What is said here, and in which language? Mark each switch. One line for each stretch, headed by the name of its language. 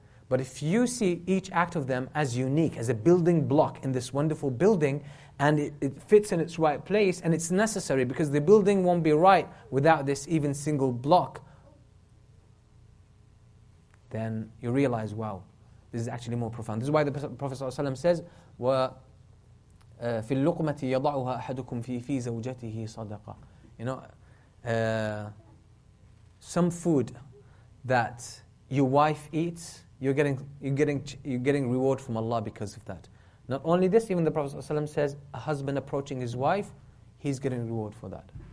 English: But if you see each act of them as unique, as a building block in this wonderful building, and it fits in its right place, and it's necessary because the building won't be right without this even single block, then you realize, wow, this is actually more profound. This is why the Prophet ﷺ says,
Arabic: فِي اللُّقْمَةِ يَضَعُهَا أَحَدُكُمْ فِي زَوْجَتِهِ صَدَقًا.
English: You know, some food that your wife eats, you're getting reward from Allah because of that. Not only this, even the Prophet ﷺ says, a husband approaching his wife, he's getting reward for that.